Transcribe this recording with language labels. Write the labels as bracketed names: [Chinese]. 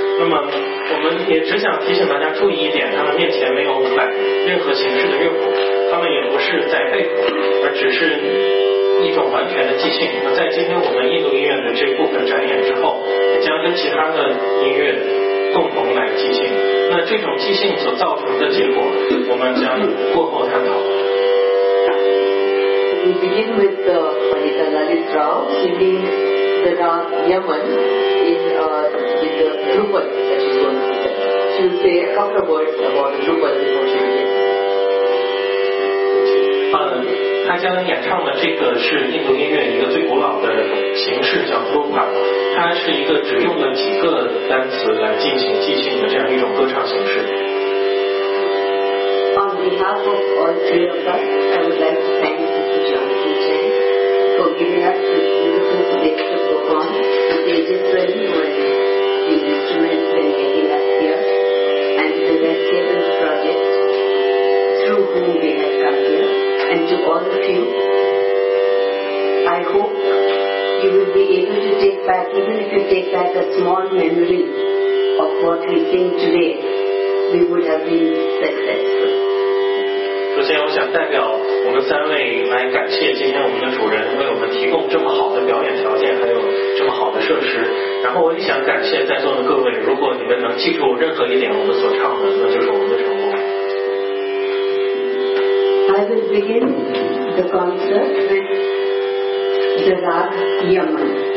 [Chinese] 那么我们也只想提醒大家注意一点，他们面前没有摆任何形式的乐谱，他们也不是在背谱，而只是一种完全的即兴。那在今天我们印度音乐的这部分展演之后，也将跟其他的音乐共同来即兴。那这种即兴所造成的结果我们将过后探讨。 [English] We begin with the Pandita Lalit Rao singing the Raag Yaman with the Drupad that she's going to sing. She'll say a couple of words about the Drupad before she begins. [Chinese] 他将演唱的这个是印度音乐一个最古老的形式，叫 Drupad。它是一个只用了几个单词来进行即兴的这样一种歌唱形式。 [English] On behalf of all three of us, I would like to thank you to John T. Chen for giving us this beautiful stage to perform, to the agents who are in the instruments and getting us here, and to the Best Haven Project through whom we have come here, and to all of you. I hope you will be able to take back, even if you take back a small memory of what we sing today, we would have been successful. [Chinese] 首先我想代表我们三位来感谢今天我们的主人为我们提供这么好的表演条件，还有这么好的设施。然后我也想感谢在座的各位，如果你们能记住任何一点我们所唱的，那就是我们的成功。 [English] I will begin the concert with the Raag Yaman.